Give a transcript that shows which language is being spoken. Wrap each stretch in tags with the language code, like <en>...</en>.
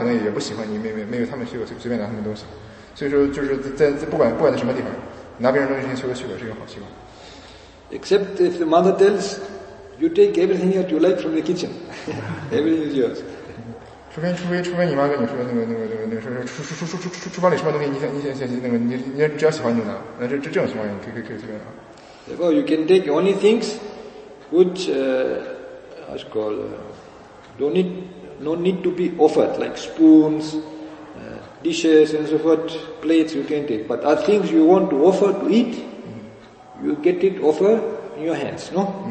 <zh>他说拿别人东西是一件好的行为习惯，他说就是即使以后就是去父母的家里边，然后拿父母家里边桌子上的东西，厨房里边的东西，客房里边的东西，最好也是跟那个跟父母是以求个许可，这个在这种情况下求许可，不是说你去偷父母什么东西，而是说如果说你不经过父母许可就拿父母东西，他们也很会被你给冒犯，因为他们可能也不喜欢你没有他们许可随便拿他们东西。</zh> <en>Except if the mother tells you take everything that you like from the kitchen, everything is yours.</en> <zh>除非你妈跟你说那个厨房里什么东西你只要喜欢就拿，那这种情况下你可以随便拿。</zh> <en>Therefore, you can take only things which I call no need to be offered, like spoons. Dishes and so forth, plates you can take. But are things you want to offer to eat, you get it offered in your hands, no?</en>